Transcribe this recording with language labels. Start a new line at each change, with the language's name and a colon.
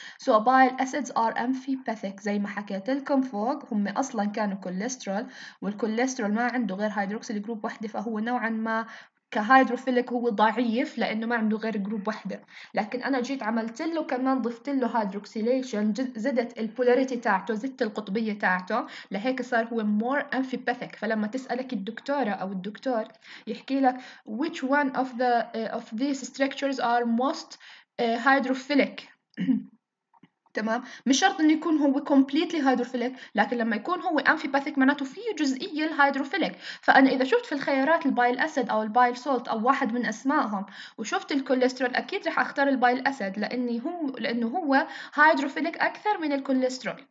English: so bile acids are amphipathic
Arabic: زي ما حكيت لكم فوق، هم اصلا كانوا كوليسترول والكوليسترول ما عنده غير هيدروكسيل جروب وحده، فهو نوعا ما كهيدروفيلك هو ضعيف لأنه ما عنده غير جروب واحدة، لكن أنا جيت عملت له كمان ضفت له هيدروكسيليشن زدت البولاريتي تاعته، زدت القطبية تاعته، لهيك صار هو مور أمفيباثيك. فلما تسألك الدكتورة أو الدكتور يحكي لك
English: which one of the of these structures are most hydrophilic.
Arabic: تمام، مش شرط انه يكون هو كومبليتلي هيدروفيلك، لكن لما يكون هو امفيباثيك معناته فيه جزئيه الهيدروفيلك. فانا اذا شفت في الخيارات البايل اسيد او البايل سولت او واحد من اسمائهم وشفت الكوليسترول اكيد رح اختار البايل اسيد لانه هو هيدروفيلك اكثر من الكوليسترول.